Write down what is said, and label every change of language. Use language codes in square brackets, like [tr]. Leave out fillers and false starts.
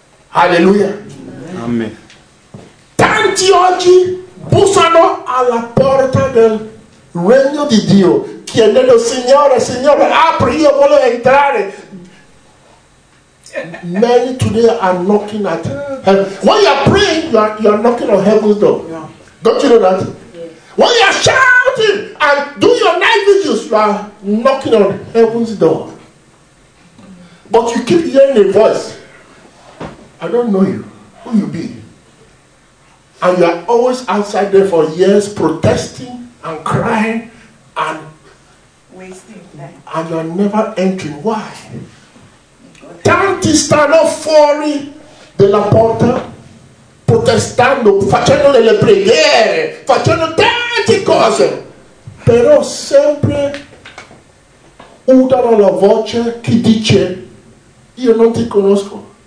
[it] Alleluia. Amen. Tanti oggi bussano alla porta del regno di Dio, chiedendo: Signore, Signore, apri, io voglio entrare. [en] Many today are knocking at heaven. When you are praying, you are knocking on heaven's door. Yeah. Don't you know that? Yeah. When you are shouting and doing your night vigils, you are knocking on heaven's door. But you keep hearing a voice. I don't know you. Who you be? And you are always outside there for years, protesting and crying and wasting time. And you are never entering. Why? [it] Tanti stanno fuori della porta protestando, facendo delle preghiere, facendo tante cose, però sempre udano la voce che dice: io non ti conosco.